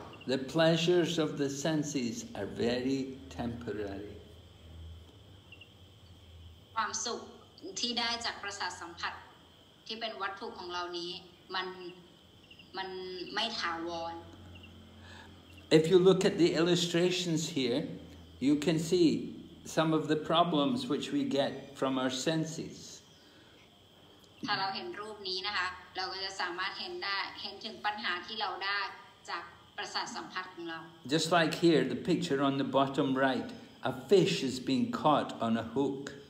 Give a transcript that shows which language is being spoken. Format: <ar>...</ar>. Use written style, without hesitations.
<en>The pleasures of the senses are very temporary.</en> <th>ความสุขที่ได้จากประสาทสัมผัสที่เป็นวัตถุของเรานี้มันไม่ถาวร</th> <en>If you look at the illustrations here, you can see some of the problems which we get from our senses.</en> <th>ถ้าเราเห็นรูปนี้นะคะเราก็จะสามารถเห็นได้เห็นถึงปัญหาที่เราได้จากประสาทสัมผัสของเรา</th> <en>Just like here the picture on the bottom right a fish is being caught on a hook</en>